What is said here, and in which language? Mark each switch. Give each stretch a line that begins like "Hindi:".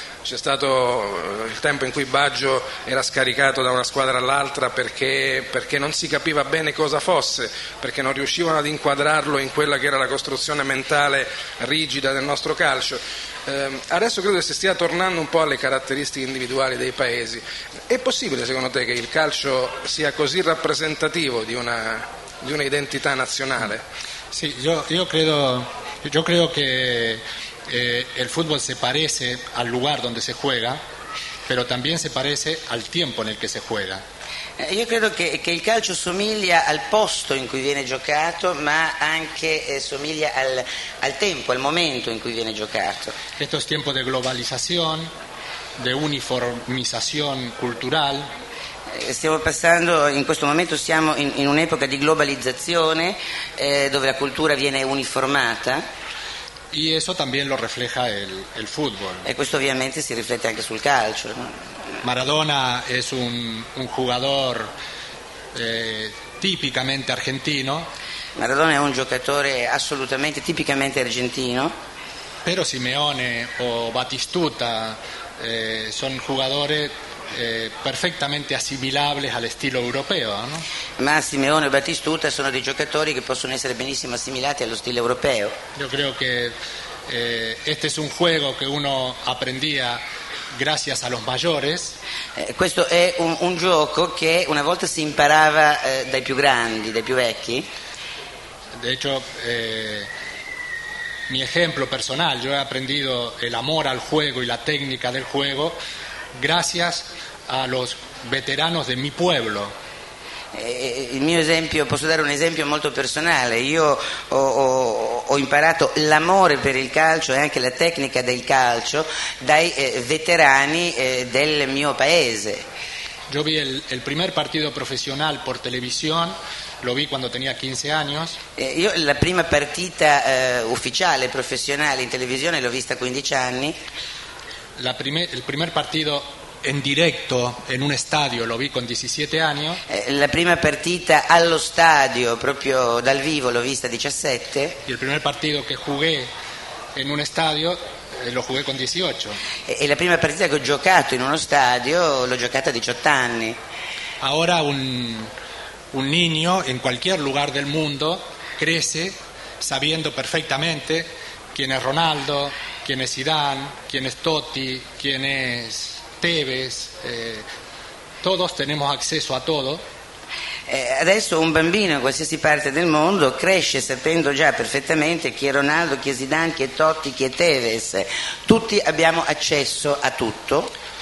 Italian: C'è stato il tempo in cui Baggio era scaricato da una squadra all'altra perché non si capiva bene cosa fosse, perché non riuscivano ad inquadrarlo in quella che era la costruzione mentale rigida del nostro calcio. Adesso credo che si stia tornando un po' alle caratteristiche individuali dei paesi. È possibile secondo te che il calcio sia così rappresentativo di una identità nazionale? Sì, io credo che
Spanish: el fútbol se parece al lugar donde se juega, pero también se parece al tiempo en el que se juega.
Italian: Io credo che il calcio somiglia al posto in cui viene giocato, ma anche somiglia al tempo, al momento in cui viene giocato. Questo è tempo di globalizzazione, di uniformizzazione culturale. Stiamo passando, in questo momento siamo in un'epoca di globalizzazione, dove la cultura viene uniformata.
Spanish: Y eso también lo refleja el fútbol.
Italian: E questo ovviamente si riflette anche sul calcio.
Spanish: Maradona es un jugador típicamente argentino.
Italian: Maradona è un giocatore assolutamente tipicamente argentino.
Spanish: Pero Simeone o Batistuta son jugadores perfectamente
Italian: assimilabili al stile europeo,
Spanish: no?
Italian: Ma Simeone e Batistuta sono dei giocatori che possono essere benissimo assimilati allo stile europeo. Io credo che
Spanish: este es un juego que uno aprendía gracias a los mayores.
Italian: Questo è un gioco che una volta si imparava dai più grandi, dai più vecchi.
Spanish: De hecho, mi ejemplo personal, yo he aprendido el amor al juego y la técnica del juego gracias a los veteranos de mi pueblo.
Italian: Il mio esempio, posso dare un esempio molto personale. Io ho imparato l'amore per il calcio e anche la tecnica del calcio dai veterani del mio paese. Io
Spanish: vi
Italian: il
Spanish: primer
Italian: partito
Spanish: professional por televisión. Lo vi quando tenía 15 años.
Italian: Io la prima partita ufficiale professionale in televisione l'ho vista a 15 anni. Il
Spanish: primer
Italian: partito
Spanish: en directo en un estadio lo vi con 17 años.
Italian: La prima partita allo stadio proprio dal vivo l'ho vista a 17.
Spanish: Y el primer partido que jugué en un estadio lo jugué con 18.
Italian: E la prima partita che ho giocato in uno stadio l'ho giocata a 18 anni.
Spanish: Ahora un niño en cualquier lugar del mundo crece sabiendo perfectamente quién es Ronaldo, quién es Zidane, quién es Totti, quién es Tevez, todos tenemos acceso a todo.
Italian: Adesso un bambino in qualsiasi parte del mondo cresce sapendo già perfettamente chi è Ronaldo, chi è Zidane, chi è Totti, chi è Tevez. Tutti abbiamo accesso a tutto.